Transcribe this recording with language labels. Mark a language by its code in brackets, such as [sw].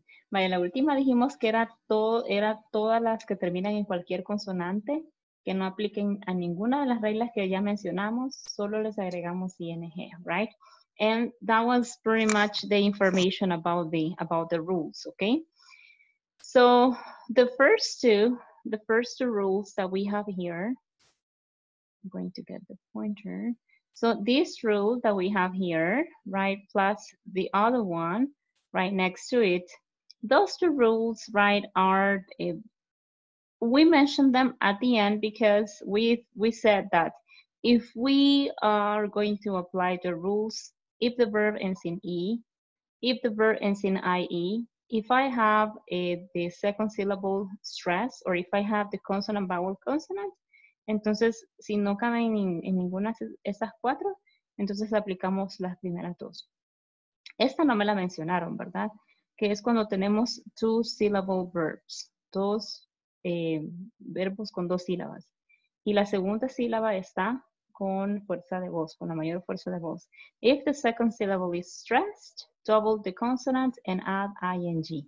[es] Vaya, la última dijimos que era todas las que terminan en cualquier consonante, que no apliquen a ninguna de las reglas que ya mencionamos, solo les agregamos ING, right? [en] And that was pretty much the information about the rules, okay? So, the first two rules that we have here, I'm going to get the pointer. So this rule that we have here, right, plus the other one right next to it, those two rules, right, are, we mentioned them at the end because we said that if we are going to apply the rules, if the verb ends in E, if the verb ends in IE, if I have the second syllable stress, or if I have the consonant vowel consonant, [es] entonces, si no caben en ninguna de esas cuatro, entonces aplicamos las primeras dos. Esta no me la mencionaron, ¿verdad? Que es cuando tenemos [en] two syllable verbs, [es] dos verbos con dos sílabas. Y la segunda sílaba está con fuerza de voz, con la mayor fuerza de voz. [en] If the second syllable is stressed, double the consonant and add ing.